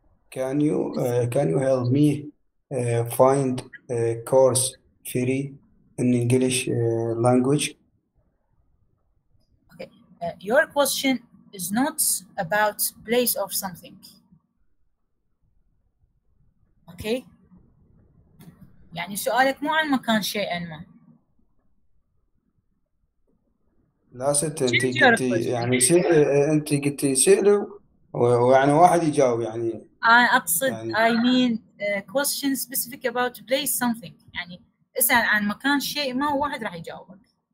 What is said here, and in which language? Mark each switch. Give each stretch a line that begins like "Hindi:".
English: Can you help me find a course free in English language? Okay, your question is not about place or something. Okay?
Arabic: يعني سؤالك مو عن مكان شيء ما. لا ست انت قلتي يعني انت قلتي سألوا ويعني واحد يجاوب يعني.
English: I
Arabic: اقصد يعني,
English: I mean question specific about place something.
Arabic: يعني اسأل عن مكان شيء ما وواحد راح يجاوبك.